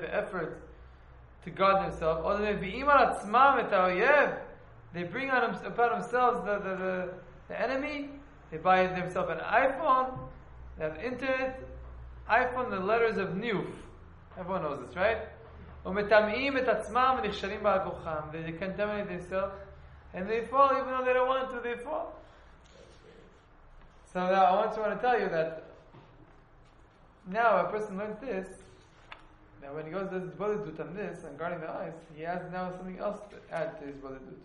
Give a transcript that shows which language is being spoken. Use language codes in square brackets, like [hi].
[en] The effort to guard themselves, or they [he] mevi'im al atzmam et ha'oyev, [en] they bring on upon themselves the enemy, they buy themselves an iPhone, they have internet, iPhone, the letters of Niuf. Everyone knows this, right? [he] ומתמאים את עצמם ונכשלים בעל כוחם. [en] They contaminate themselves and they fall even though they don't want to, they fall. So now I want to tell you that now a person learned this, that when he goes to his bodhidut on this and guarding the eyes, he has now something else to add to his bodhidut.